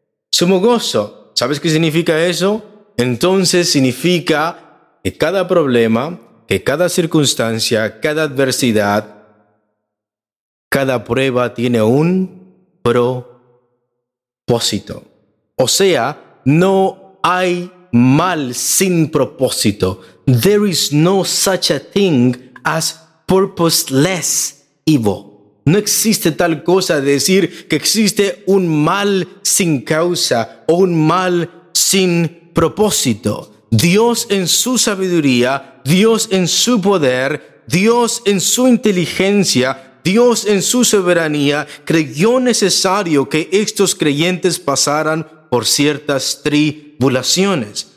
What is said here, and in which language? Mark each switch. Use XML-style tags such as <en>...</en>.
<es>Sumo gozo. ¿Sabes qué significa eso? Entonces significa que cada problema, que cada circunstancia, cada adversidad, cada prueba tiene un propósito. O sea, no hay mal sin propósito.</es> <en>There is no such a thing as purposeless evil.</en> <es>No existe tal cosa de decir que existe un mal sin causa o un mal sin propósito. Dios en su sabiduría, Dios en su poder, Dios en su inteligencia, Dios en su soberanía, creyó necesario que estos creyentes pasaran por ciertas tribulaciones.</es>